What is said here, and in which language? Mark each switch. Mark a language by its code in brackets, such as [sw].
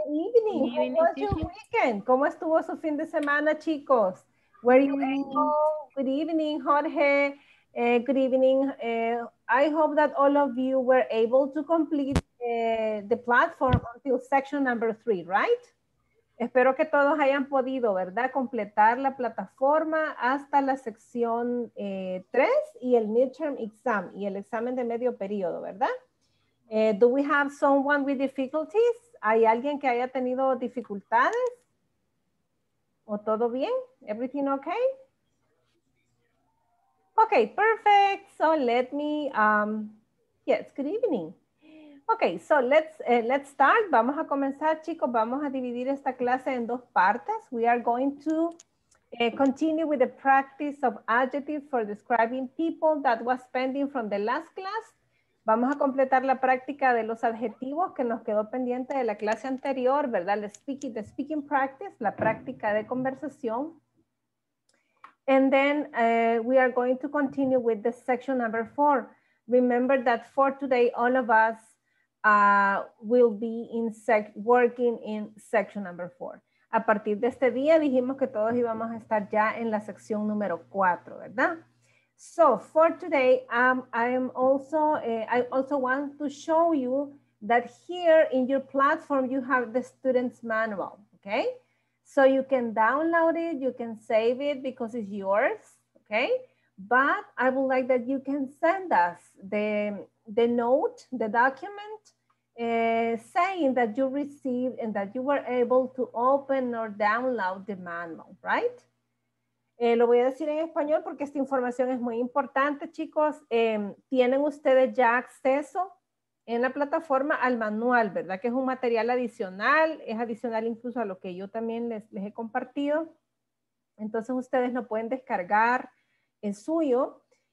[en] Good evening, how was your weekend? [es] ¿Cómo estuvo su fin de semana, chicos? [en] Good evening, Jorge. Good evening. I hope that all of you were able to complete the platform until section number 3, right? [es] Espero que todos hayan podido, ¿verdad? Completar la plataforma hasta la sección 3 y el midterm exam y el examen de medio periodo, ¿verdad? [en] Do we have someone with difficulties? [es] ¿Hay alguien que haya tenido dificultades? ¿O todo bien? [en] Everything okay? Okay, perfect. So let me, yes, good evening. Okay, so let's start. [es] Vamos a comenzar, chicos. Vamos a dividir esta clase en dos partes. [en] We are going to continue with the practice of adjectives for describing people that was pending from the last class. [es] Vamos a completar la práctica de los adjetivos que nos quedó pendiente de la clase anterior, ¿verdad? [en] The speaking practice, [es] la práctica de conversación. [en] And then we are going to continue with the section number 4. Remember that for today, all of us will be working in section number 4. [es] A partir de este día, dijimos que todos íbamos a estar ya en la sección número 4, ¿verdad? [en] So for today, I also want to show you that here in your platform, you have the student's manual, okay? So you can download it, you can save it because it's yours, okay? But I would like that you can send us the note, the document saying that you received and that you were able to open or download the manual, right? [es] Lo voy a decir en español porque esta información es muy importante, chicos. ¿Tienen ustedes ya acceso en la plataforma al manual, verdad? Que es un material adicional, es adicional incluso a lo que yo también les he compartido. Entonces ustedes lo pueden descargar, es suyo.